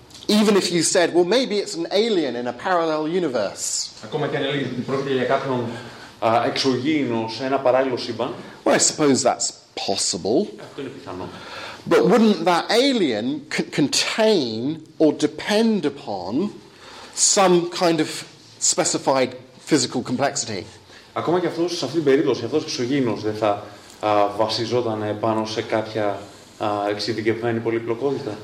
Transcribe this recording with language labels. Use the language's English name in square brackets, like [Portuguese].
[English] Even if you said, well, maybe it's an alien in a parallel universe. [Greek] Ακόμα και αν έλεγες ότι πρόκειται για κάποιον εξωγήινο σε ένα παράλληλο σύμπαν. [English] Well, I suppose that's possible. [Greek] Αυτό είναι πιθανό. [English] But wouldn't that alien contain or depend upon some kind of specified physical complexity? [Greek] Ακόμα και αυτός, σε αυτή την περίπτωση, αυτός εξωγήινος δεν θα βασιζόταν πάνω σε κάποια εξειδικευμένη πολυπλοκότητα.